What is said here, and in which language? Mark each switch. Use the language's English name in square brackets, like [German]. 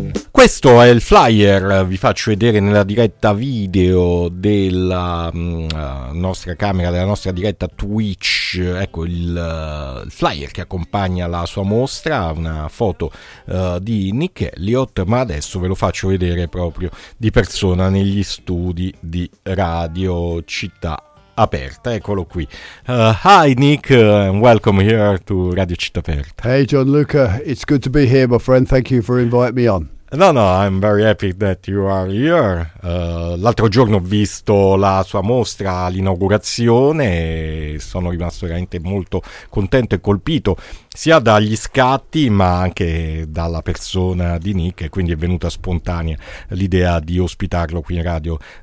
[Italian] Questo è il flyer, vi faccio vedere nella diretta video della nostra camera, della nostra diretta Twitch, ecco il flyer che accompagna la sua mostra, una foto di Nick Elliott, ma adesso ve lo faccio vedere proprio di persona negli studi di Radio Città Aperta, eccolo qui. [English] Hi Nick, and welcome here to Radio Città Aperta. Hey Gianluca, it's good to be here my friend, thank you for inviting me on. No, I'm very happy that you are here. [Italian] L'altro giorno ho visto la sua mostra, l'inaugurazione, e sono rimasto veramente molto contento e colpito sia dagli scatti ma anche dalla persona di Nick, e quindi è venuta spontanea l'idea di ospitarlo qui in radio.